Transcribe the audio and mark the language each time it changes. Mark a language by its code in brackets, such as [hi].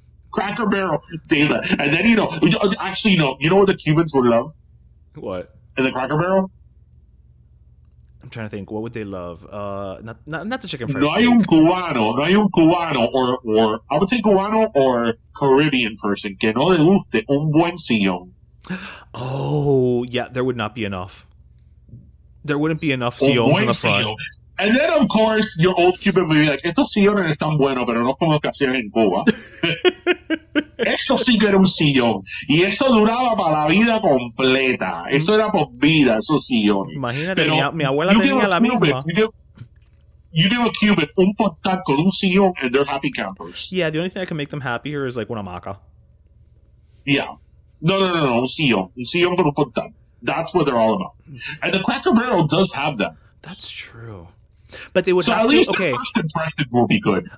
[en] Cracker Barrel, Dana. And then, you know what the Cubans would love? What? In the Cracker Barrel? I'm trying to think. What would they love? Not the chicken fried [es] steak. No hay un cubano. [en] Or I would say cubano or Caribbean person. [es] Que no le guste un buen sillón. [en] Oh, yeah. There would not be enough. There wouldn't be enough sillones in the front. [es] Sillon. [en] And then, of course, your old Cuban would be like, [es] estos sillones están buenos, pero no como los que hacían en Cuba. Eso sí que era un sillón. Y eso duraba para la vida completa. Eso era por vida, esos sillones. Imagínate, mi abuela tenía la misma. [en] You give a Cuban [es] un portal con un sillón [en] and they're happy campers. Yeah, the only thing that can make them happier is like [es] una maca. Yeah. No, un sillón. Un sillón con un portal. [en] That's what they're all about. And the Cracker Barrel does have them. That's true. But they would have to. Okay. The first impression will be good.